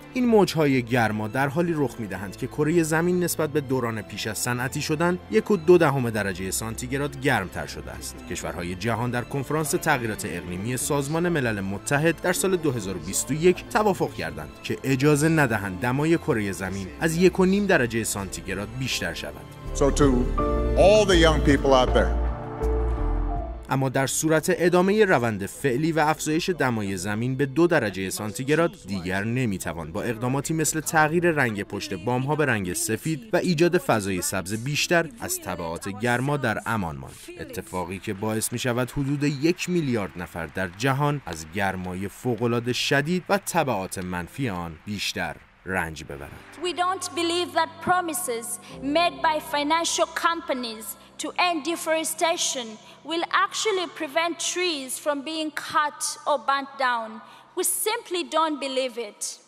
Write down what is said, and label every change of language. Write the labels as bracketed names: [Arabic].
[Persian] این موج‌های گرما در حالی رخ می‌دهند که کره زمین نسبت به دوران پیش از صنعتی شدن 1.2 درجه سانتیگراد گرم‌تر شده است. کشورهای جهان در کنفرانس تغییرات اقلیمی سازمان ملل متحد در سال 2021 توافق کردند که اجازه ندهند دمای کره زمین از 1.5 درجه سانتیگراد بیشتر شود. [English] So to all the young people out there. [Persian] اما در صورت ادامه روند فعلی و افزایش دمای زمین به 2 درجه سانتیگراد، دیگر نمیتوان با اقداماتی مثل تغییر رنگ پشت بام‌ها به رنگ سفید و ایجاد فضای سبز بیشتر از تبعات گرما در امان ماند. اتفاقی که باعث می‌شود حدود 1 میلیارد نفر در جهان از گرمای فوق‌العاده شدید و تبعات منفی آن بیشتر رنج ببرند. [English] We don't believe that promises made by financial companies to end deforestation will actually prevent trees from being cut or burnt down. We simply don't believe it.